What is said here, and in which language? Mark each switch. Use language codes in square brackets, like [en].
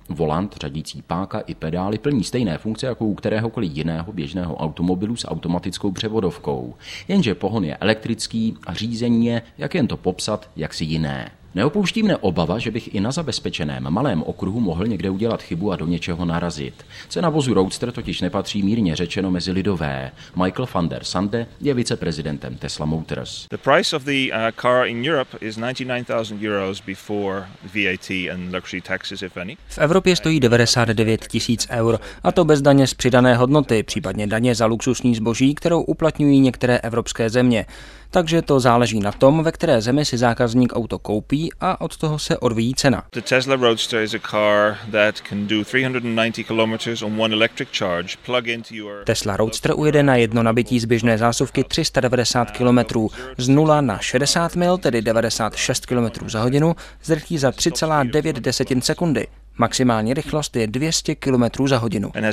[cs] Volant, řadící páka i pedály plní stejné funkce jako u kteréhokoliv jiného běžného automobilu s automatickou převodovkou. Jenže pohon je elektrický a řízení je, jak jen to popsat, jaksi jiné. Neopouští mne obava, že bych i na zabezpečeném malém okruhu mohl někde udělat chybu a do něčeho narazit. Cena vozu Roadster totiž nepatří mírně řečeno mezi lidové. Michael van der Sande je viceprezidentem Tesla Motors. [en] The price of the car in Europe is 99,000 euros before VAT and luxury taxes, if any. [cs] V Evropě stojí 99 000 eur, a to bez daně z přidané hodnoty, případně daně za luxusní zboží, kterou uplatňují některé evropské země. Takže to záleží na tom, ve které zemi si zákazník auto koupí a od toho se odvíjí cena. [en] The Tesla Roadster is a car that can do 390 kilometers on one electric charge. Plug into your [cs] Tesla Roadster ujede na jedno nabití z běžné zásuvky 390 km z 0 na 60 mil, tedy 96 km za hodinu, zrychlí za 3,9 sekundy. Maximální rychlost je 200 km za hodinu.